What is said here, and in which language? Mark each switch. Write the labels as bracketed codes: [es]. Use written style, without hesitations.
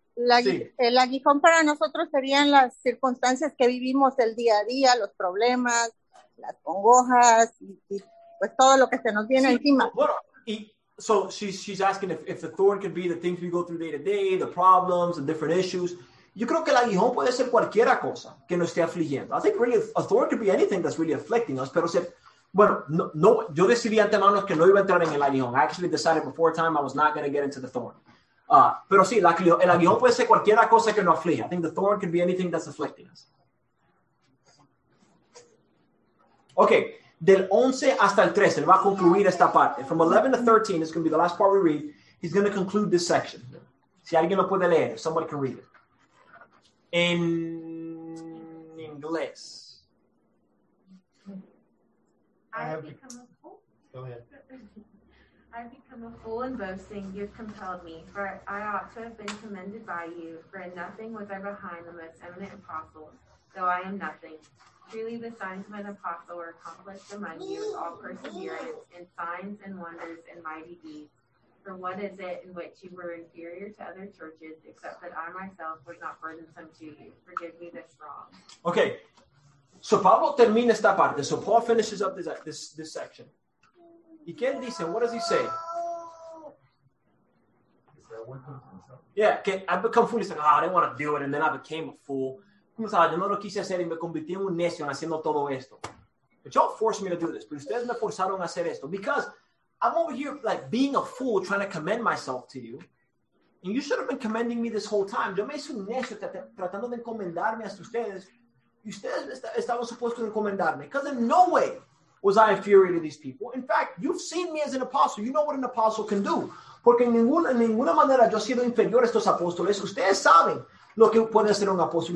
[es] El aguijón para nosotros serían las circunstancias que vivimos el día a día, los problemas, las congojas, y pues todo lo que se nos viene encima. [en] So she's asking if the thorn could be the things we go through day to day, the problems, the different issues. [es] Yo creo que el aguijón puede ser cualquiera cosa que nos esté afligiendo. [en] I think really a thorn could be anything that's really afflicting us, [es] pero yo decidí antemano que no iba a entrar en el aguijón. [en] I actually decided before time I was not going to get into the thorn. [es] Pero sí, el aguijón puede ser cualquiera cosa que nos aflige. [en] I think the thorn could be anything that's afflicting us. [es] Okay, del 11 hasta el 13, él va a concluir esta parte. [en] From 11 to 13, it's going to be the last part we read. He's going to conclude this section. [es] Si alguien lo puede leer, [en] somebody can read it. [es] En inglés. [en] I have become a fool. Go ahead. I've become a fool in boasting. You've compelled me, for I ought to have been commended by you, for in nothing was I behind the most eminent apostles, though I am nothing. Truly the signs of an apostle were accomplished among you with all perseverance and signs and wonders and mighty deeds. For what is it in which you were inferior to other churches, except that I myself was not burdensome to you? Forgive me this wrong. Okay. [es] So Pablo termina esta parte. [en] So Paul finishes up this section. [es] ¿Y qué él dice? [en] What does he say? Yeah, que I've become foolish. Like, I didn't want to do it, and then I became a fool. [es] ¿Cómo sabes? Yo no lo quise hacer, y me convertí en un necio en haciendo todo esto. [en] But y'all forced me to do this, [es] pero ustedes me forzaron a hacer esto. [en] Because I'm over here, like, being a fool, trying to commend myself to you. And you should have been commending me this whole time. [es] Yo me hice un necio tratando de encomendarme a ustedes. Y ustedes estaban supuestos de encomendarme. [en] Because in no way was I inferior to these people. In fact, you've seen me as an apostle. You know what an apostle can do. [es] Porque en ninguna manera yo he sido inferior a estos apóstoles. Ustedes saben lo que puede ser un apóstol.